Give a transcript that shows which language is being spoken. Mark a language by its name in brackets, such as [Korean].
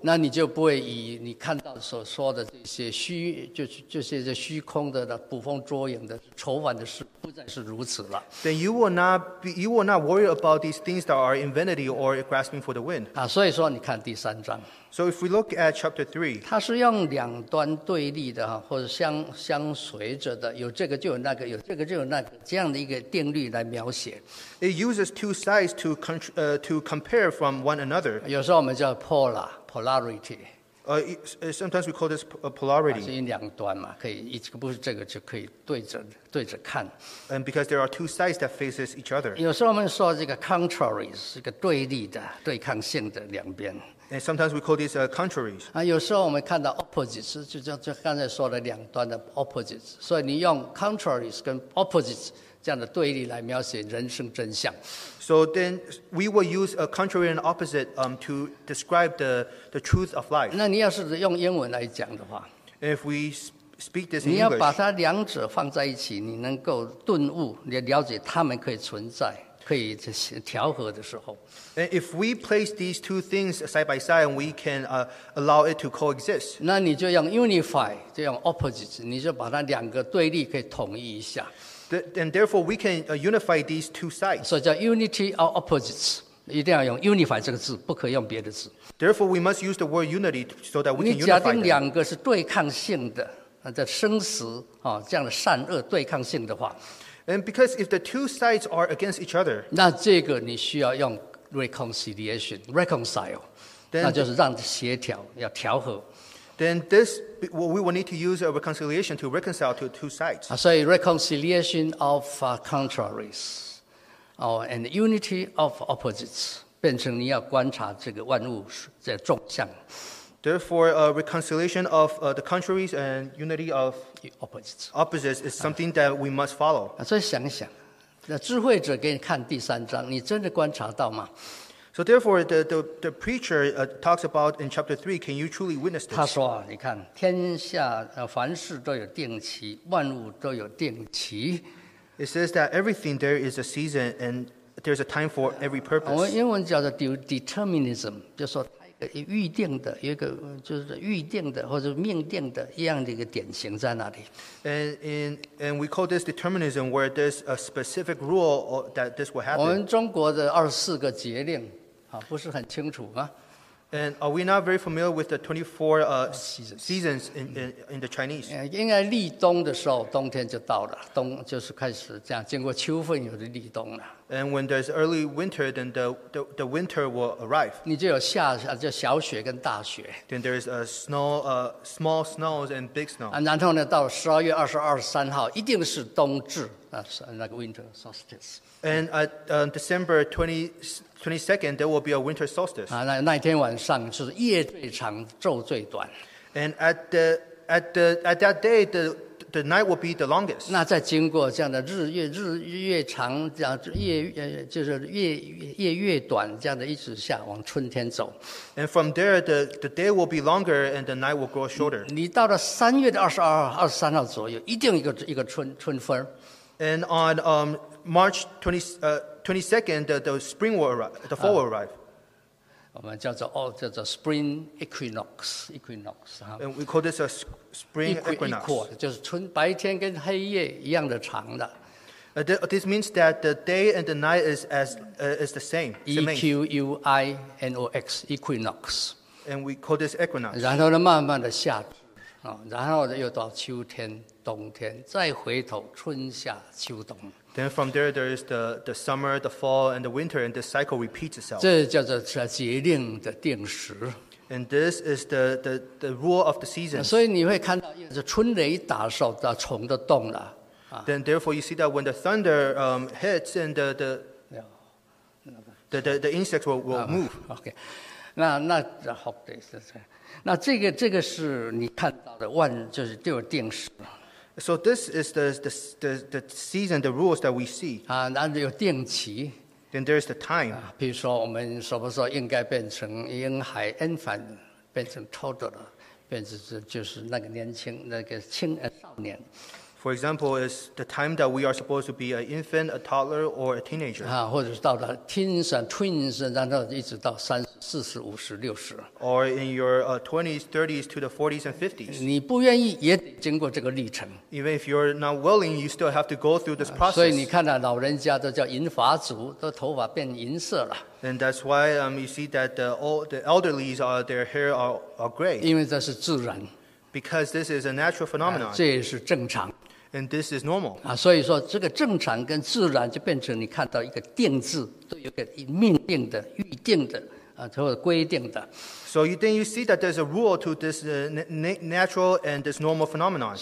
[Chinese] 那你就不会以你看到所说的这些虚，就是虚空的捕风捉影的愁烦的事，不再是如此了。 [English] Then you will not worry about these things that are in vanity or grasping for the wind. [Chinese] 啊，所以说你看第三章。 [English] So if we look at chapter 3, [Chinese] 它是用两端对立的或者相随着的，有这个就有那个，有这个就有那个，这样的一个定律来描写。 [English] It uses two sides to compare from one another. [Chinese] 有时候我们叫 polarity. [English] Sometimes we call this polarity. [Chinese] 是两端嘛，可以一个不是这个就可以对着看。 [English] And because there are two sides that faces each other. [Chinese] 有时候我们说这个 contrary 是一个对立的、对抗性的两边。 [English] And sometimes we call these contraries. [Chinese] 啊，有时候我们看到 opposites， 就刚才说的两端的 opposites。所以你用 contraries 跟 opposites 这样的对立来描写人生真相。 [English] So then we will use a contrary and opposite to describe the truth of life. [Chinese] 那你要是用英文来讲的话 [English] ，If we speak this in [Chinese] English， 你要把它两者放在一起，你能够顿悟，你了解它们可以存在。可以调和的时候。 [English] And if we place these two things side by side, we can allow it to coexist. [Chinese] 那你就用 unify， 就用 opposites， 你就把它两个对立可以统一一下。 [English] And therefore, we can unify these two sides. [Chinese] 所以叫 [English] unity or opposites， [Chinese] 一定要用 unify 这个字，不可以用别的字。 [English] Therefore, we must use the word unity so that we can unify. [Chinese] 你假定两个是对抗性的，在生死这样的善恶对抗性的话。 [English] And because if the two sides are against each other, [Chinese] 那这个你需要用 [English] reconciliation, reconcile, then, [Chinese] 那就是让协调，要调和。 [English] Then this, we will need to use a reconciliation to reconcile to two sides. [Chinese] 所以 [English] reconciliation of contraries, and unity of opposites, [Chinese] 变成你要观察这个万物的众相。 [English] Therefore, a reconciliation of the contraries and unity of opposites is something that we must follow. [Chinese] 所以想一想，那智慧者给你看第三章，你真的观察到吗？ [English] So therefore, the preacher talks about in chapter 3, can you truly witness this? [Chinese] 他说，你看，天下凡事都有定期，万物都有定期。 [English] It says that everything there is a season and there's a time for every purpose. [Chinese] 我们英文叫做 determinism， 就说预定的，有一个就是预定的或者命定的一样的一个典型在那里。 [English] And we call this determinism, where there's a specific rule that this will happen. [Chinese] 我们中国的24个节令不是很清楚吗？ [English] And are we not very familiar with the 24 seasons in the Chinese? [Chinese] 应该立冬的时候，冬天就到了，冬就是开始这样，经过秋分有的立冬了。 [English] And when there's early winter, then the winter will arrive. [Chinese] 你就有下就小雪跟大雪。 [English] Then there is a snow, small snows and big snow. [Chinese] 然后呢，到12月23号，一定是冬至那个 winter solstice. [English] And on December 22nd, there will be a winter solstice. [Chinese] 那天晚上是夜最长，昼最短。 [English] And at that day, the night will be the longest. [Chinese] 那再经过这样的日月长，这样夜就是夜越短，这样的一直下往春天走。 [English] And from there, the day will be longer, and the night will grow shorter. [Chinese] 你到了三月的23号左右，一定一个春分。 [English] And on March 22nd, the spring will arrive. The fall will arrive. [Chinese] 我们叫做 spring equinox. [English] And we call this a spring equinox. [Chinese] Equal, 就是春白天跟黑夜一样的长的。 [English] This means that the day and the night is the same. Equinox, equinox. And we call this equinox. [Chinese] 然后呢，慢慢的下，然后又到秋天、冬天，再回头春夏秋冬。 [English] Then from there, there is the summer, the fall, and the winter, and this cycle repeats itself. [Chinese] 这叫做节令的定时。 [English] And this is the rule of the seasons. [Chinese] 所以你会看到，春雷打的时候，虫都动了。 [English] Then therefore you see that when the thunder hits and the insects will move. Okay. [Chinese] 那好的意思是那这个是你看到的万就是就是定时。 [English] So this is the season, the rules that we see. [Chinese] 那有定期。 [English] Then there is the time. [Chinese] 比如说我们说不说应该变成婴孩 infant, 变成 toddler, 变成就是那个年轻那个青少年。 [English] For example, is the time that we are supposed to be an infant, a toddler, or a teenager. [Chinese] 或者是到了 [English] teens and twins, [Chinese] 然后一直到三四十五十六十。 [English] Or in your 20s, 30s to the 40s and 50s. [Chinese] 你不愿意也得经过这个历程。 [English] Even if you're not willing, you still have to go through this process. [Chinese] 所以你看到老人家都叫银发族，都头发变银色了。 [English] And that's why you see that the elderly, their hair are gray. [Chinese] 因为这是自然。 [English] Because this is a natural phenomenon. [Chinese] 这也是正常。 [English] And this is normal. [Chinese] 所以说这个正常跟自然就变成你看到一个定制，都有一个命定的、预定的，或者规定的。 [English] So then you see that there's a rule to this natural and this normal phenomenon.